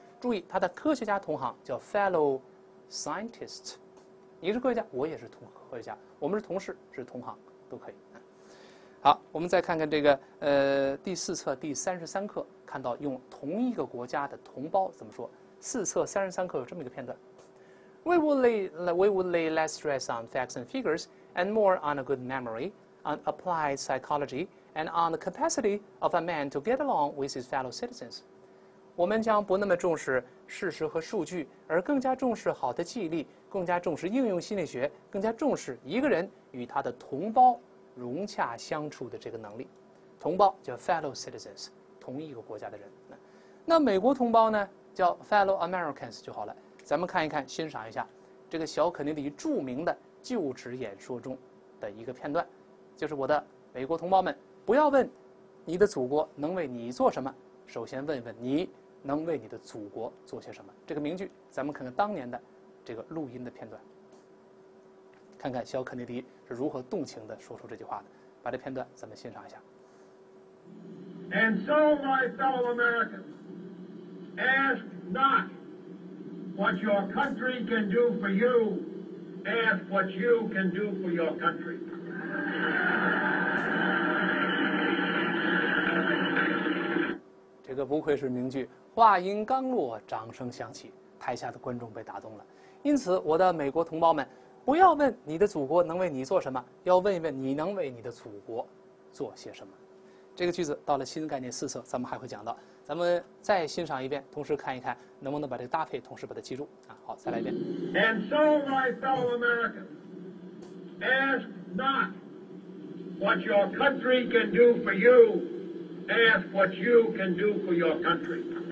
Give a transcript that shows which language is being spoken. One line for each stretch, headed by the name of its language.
Chinese: 注意，他的科学家同行叫 fellow scientist。你是科学家，我也是同科学家，我们是同事，是同行，都可以。好，我们再看看这个第4册第33课，看到用同一个国家的同胞怎么说。
English: 4册33课有这么一个片段： We would lay less stress on facts and figures, and more on a good memory, on applied psychology, and on the capacity of a man to get along with his fellow citizens。
Chinese: 我们将不那么重视事实和数据，而更加重视好的记忆力，更加重视应用心理学，更加重视一个人与他的同胞融洽相处的这个能力。同胞叫 fellow citizens，同一个国家的人。那美国同胞呢？叫 fellow Americans 就好了。咱们看一看，欣赏一下这个小肯尼迪著名的就职演说中的一个片段，就是我的美国同胞们，不要问你的祖国能为你做什么，首先问一问你能为你的祖国做些什么。这个名句，咱们看看当年的这个录音的片段，看看小肯尼迪是如何动情地说出这句话的。把这片段咱们欣赏一下。
English: And so my fellow Americans,Ask not what your country can do for you, ask what you can do for your country.
Chinese: This is 不愧是名句，话音刚落，掌声响起，台下的观众被打动了。因此，我的美国同胞们，不要问你的祖国能为你做什么，要问一问你能为你的祖国做些什么。这个句子到了新概念4册，咱们还会讲到。咱们再欣赏一遍，同时看一看能不能把这个搭配，同时把它记住啊。好，再来一遍。
English: And so, my fellow Americans, ask not what your country can do for you, ask what you can do for your country.